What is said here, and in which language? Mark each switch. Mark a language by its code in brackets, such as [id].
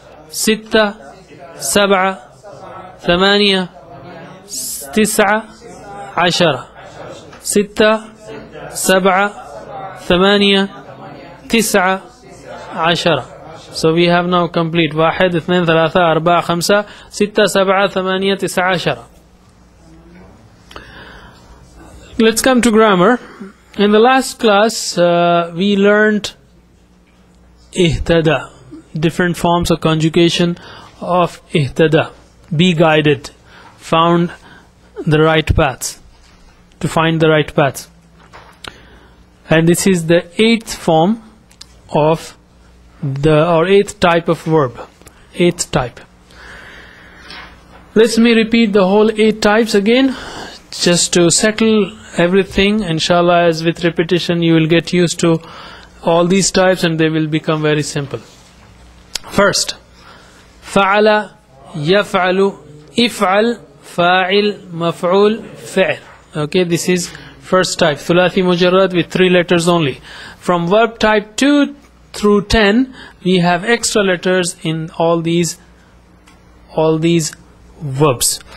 [ar] ستة, سبعة, ثمانية, تسعة, عشرة. ستة, سبعة, ثمانية, تسعة, عشرة. [en] So we have now complete. [ar] واحد, اثنين, ثلاثة, أربعة, خمسة, ستة, سبعة, ثمانية, تسعة, عشرة. [en] Let's come to grammar. In the last class, we learned اهتدى, different forms of conjugation of اهتدى, be guided, found the right path, to find the right path. And this is the eighth form of the, or eighth type of verb, eighth type. Let me repeat the whole eight types again, just to settle everything. Inshallah, as with repetition, you will get used to all these types and they will become very simple. [ar] First, فعل يفعل افعل فاعل مفعول فعل. [en] Okay, this is first type, [ar] ثلاثي مجرد [en] with three letters only. From verb type 2 through 10, we have extra letters in all these verbs.